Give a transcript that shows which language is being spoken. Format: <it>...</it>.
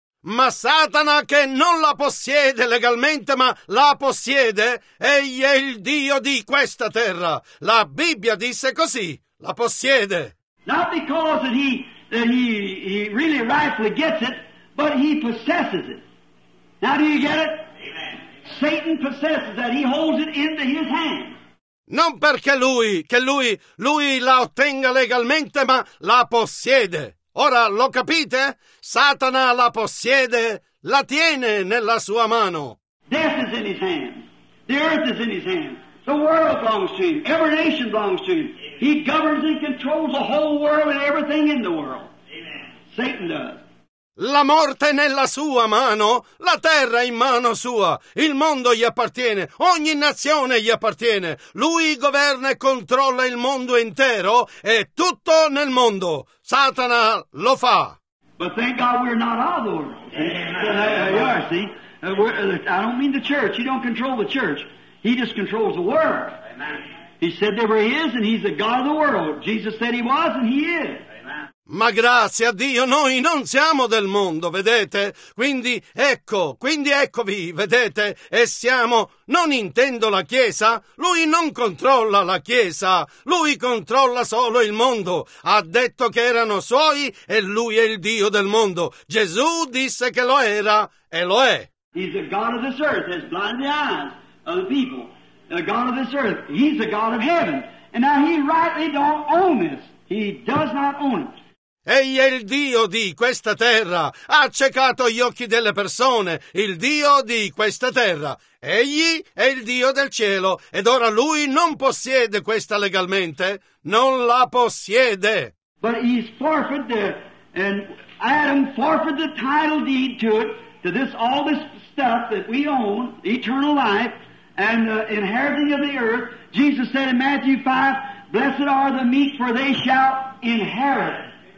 <it>Ma Satana, che non la possiede legalmente, ma la possiede, egli è il dio di questa terra. La Bibbia disse così, la possiede.</it> <en>Not because that he really rightfully gets it, but he possesses it. Now do you get it? Amen. Satan possesses that, he holds it into his hand.</en> <it>Non perché lui la ottenga legalmente, ma la possiede. Ora, lo capite? Satana la possiede, la tiene nella sua mano.</it> <en>Death is in his hand. The earth is in his hand. The world belongs to him. Every nation belongs to him. He governs and controls the whole world and everything in the world. Amen. Satan does.</en> <it>La morte nella sua mano, la terra in mano sua, il mondo gli appartiene, ogni nazione gli appartiene. Lui governa e controlla il mondo intero e tutto nel mondo. Satana lo fa.</it> <en>But thank God we're not all the world. Amen. I don't mean the church. He don't control the church. He just controls the world. Amen. He said they were His, and He's the God of the world. Jesus said He was, and He is.</en> <it>Ma grazie a Dio, noi non siamo del mondo, vedete? Quindi eccovi, vedete? E siamo, non intendo la Chiesa, Lui non controlla la Chiesa, Lui controlla solo il mondo. Ha detto che erano Suoi e Lui è il Dio del mondo. Gesù disse che lo era e lo è.</it> <en>He's the God of this earth, has blinded the eyes of the people. The God of this earth, He's the God of heaven. And now He rightly don't own this. He does not own it.</en> <it>Egli è il Dio di questa terra, ha accecato gli occhi delle persone, il Dio di questa terra. Egli è il Dio del cielo ed ora Lui non possiede questa legalmente, non la possiede.</it> <en>But he's forfeited the, and Adam forfeited the title deed to it, to this, all this stuff that we own, eternal life, and the inheriting of the earth. Jesus said in Matthew 5, blessed are the meek, for they shall inherit.</en>